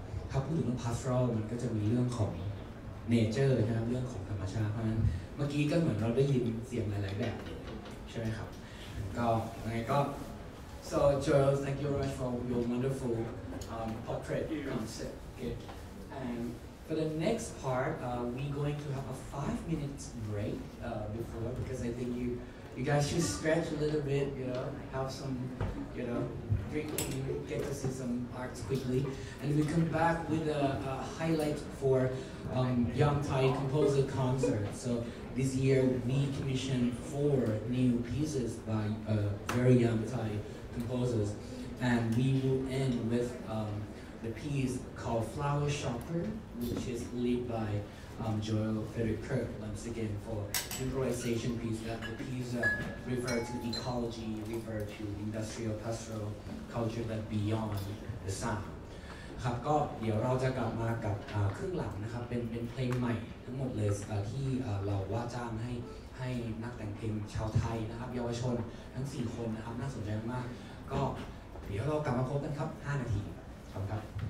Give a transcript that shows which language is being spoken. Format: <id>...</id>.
<th>ถ้าพูดถึงเรื่อง pastoral มันก็จะมีเรื่องของ nature ใช่ไหมเรื่องของธรรมชาติเพราะฉะนั้นเมื่อกี้ก็เหมือนเราได้ยินเสียงหลายๆแบบใช่ไหมครับก็ยังไงก็</th> <en>so Joel thank you very much for your wonderful portrait concept okay. and for the next part we going to have a 5-minute break before because I think you guys should stretch a little bit you know have some you knowQuickly, get to see some arts quickly, and we come back with a highlight for Young Thai Composer Concert. So this year we commissioned 4 new pieces by very young Thai composers, and we will end with the piece called Flower Shopper, which is led by Joel Frederick Kirk once again for improvisation piece. That the piece refer to ecology, refer to industrial pastoral. culture that beyond the sound</en> <th>ครับก็เดี๋ยวเราจะกลับมากับครึ่งหลังนะครับเป็นเพลงใหม่ทั้งหมดเลยที่เราว่าจ้างให้นักแต่งเพลงชาวไทยนะครับเยาวชนทั้ง4คนนะครับน่าสนใจมากก็เดี๋ยวเรากลับมาพบกันครับ5นาทีครับครับ</th>